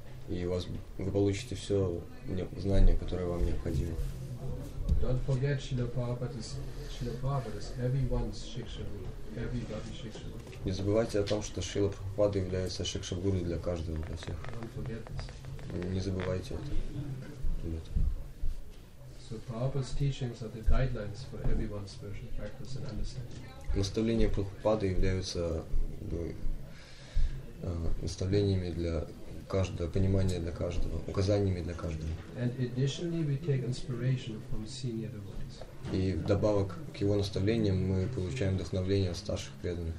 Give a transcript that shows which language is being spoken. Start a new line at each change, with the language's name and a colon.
Russian: И вы получите все знание, которое вам необходимо.
English: Don't forget Srila Prabhupada is everyone's Shikshaguru, everybody's Shikshaguru.
Russian: Не забывайте о том, что Шрила Прабхупада является Шикшагуру для каждого, для всех.
English: Don't forget this.
Russian: Не забывайте это. Нет.
English: So Prabhupada's teachings are the guidelines for everyone's spiritual practice and understanding.
Russian: Наставления Прабхупады являются наставлениями для каждого, понимание для каждого, указаниями для каждого.
English: And additionally, we take inspiration from senior devotees.
Russian: И вдобавок к его наставлениям мы получаем вдохновение от старших преданных.